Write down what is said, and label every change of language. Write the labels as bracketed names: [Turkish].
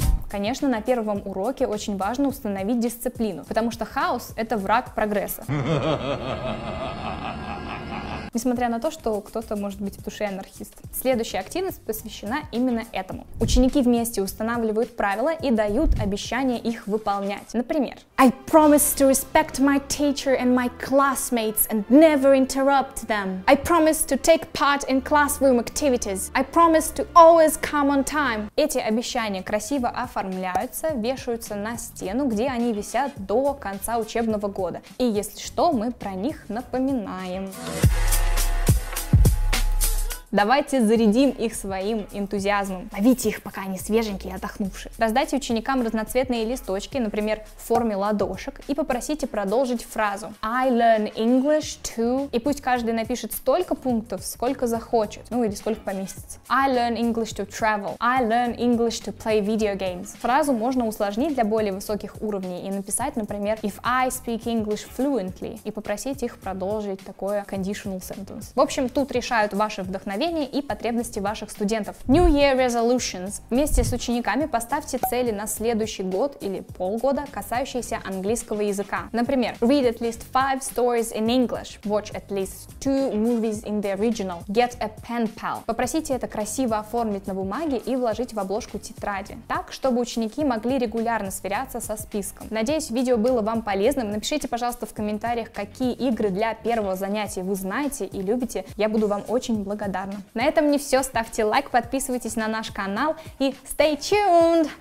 [Russian] Конечно, на первом уроке очень важно установить дисциплину, потому что хаос — это враг прогресса. Несмотря на то, что кто-то может быть в душе анархист. Следующая активность посвящена именно этому. Ученики вместе устанавливают правила и дают обещание их выполнять. [English] Например, I promise to respect my teacher and my classmates and never interrupt them. I promise to take part in classroom activities. I promise to always come on time. [Russian] Эти обещания красиво оформляются, вешаются на стену, где они висят до конца учебного года. И если что, мы про них напоминаем. Давайте зарядим их своим энтузиазмом. Ловите их, пока они свеженькие и отдохнувшие. Раздайте ученикам разноцветные листочки, например, в форме ладошек, и попросите продолжить фразу [English] I learn English to... [Russian] И пусть каждый напишет столько пунктов, сколько захочет. Ну, или сколько поместится. [English] I learn English to travel. I learn English to play video games. [Russian] Фразу можно усложнить для более высоких уровней и написать, например, [English] If I speak English fluently. [Russian] И попросить их продолжить такое [English] conditional sentence. [Russian] В общем, тут решают ваши вдохновения. вдохновение и потребности ваших студентов. [English] New Year Resolutions. [Russian] Вместе с учениками поставьте цели на следующий год или полгода, касающиеся английского языка. Например, [English] read at least 5 stories in English, watch at least 2 movies in the original, get a pen pal. [Russian] Попросите это красиво оформить на бумаге и вложить в обложку тетради, так, чтобы ученики могли регулярно сверяться со списком. Надеюсь, видео было вам полезным. Напишите, пожалуйста, в комментариях, какие игры для первого занятия вы знаете и любите. Я буду вам очень благодарна. На этом не все. Ставьте лайк, подписывайтесь на наш канал и [English] stay tuned!